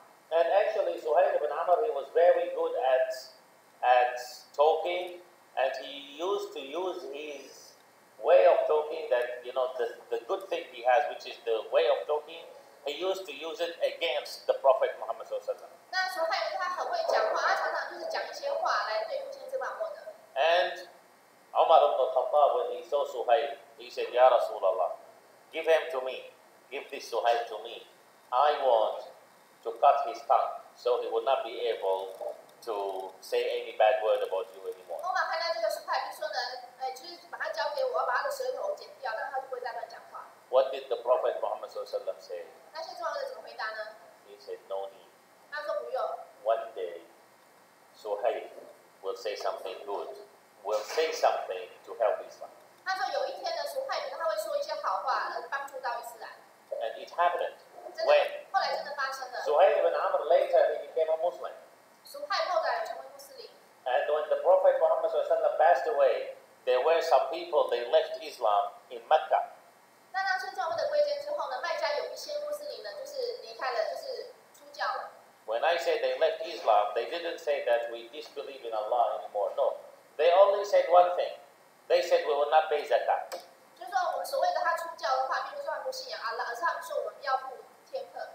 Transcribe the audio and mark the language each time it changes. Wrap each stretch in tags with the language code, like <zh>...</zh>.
<en>And actually, Suhail ibn Amr, he was very good at talking, and he used to use his way of talking, that, you know, the good thing he has, which is the way of talking, he used to use it against the Prophet Muhammad sallallahu alaihi wasallam.</en> <zh>那时候他因为他很会讲话，他常常就是讲一些话来对付先知马默德。</zh> <en>And Umar ibn al-Khattab, when he saw Suhail, he said, Ya Rasulallah, give him to me, give this Suhail to me. I want to cut his tongue so he will not be able to say any bad word about you anymore.</en> <zh>Umar 看到这个 Suhail 就说呢，哎，就是把他交给我，我要把他的舌头剪掉，让他就不会再乱讲话。</zh> <en>What did the Prophet Muhammad sallallahu alaihi wasallam say?</en> <zh>那先知马默德怎么回答呢？</zh> <en>He said, No need.</en> <zh>他说不用。</zh> <en>One day, Suhail will say something good. Will say something to help Islam.</en> <zh>他说有一天的时候，他会说一些好话来帮助到伊斯兰。</zh> <en>And it happened when.</en> <zh>后来真的发生了。</zh> <en>Suhail ibn Amr later he became a Muslim.</en> <zh>苏海后来成为穆斯林。</zh> <en>And when the Prophet Muhammad sallallahu alaihi wasallam passed away, there were some people they left Islam in Mecca.</en> <zh>那当孙仲威的归真之后呢，麦加有一些穆斯林呢，就是离开了，就是出教了。</zh> <en>When I say they left Islam, they didn't say that we disbelieve in Allah anymore. No. They only said one thing. They said we will not pay zakat.</en> <zh>就是说，我们所谓的他出教的话，并不是他们不信仰阿拉，而是他们说我们要付天课。</zh>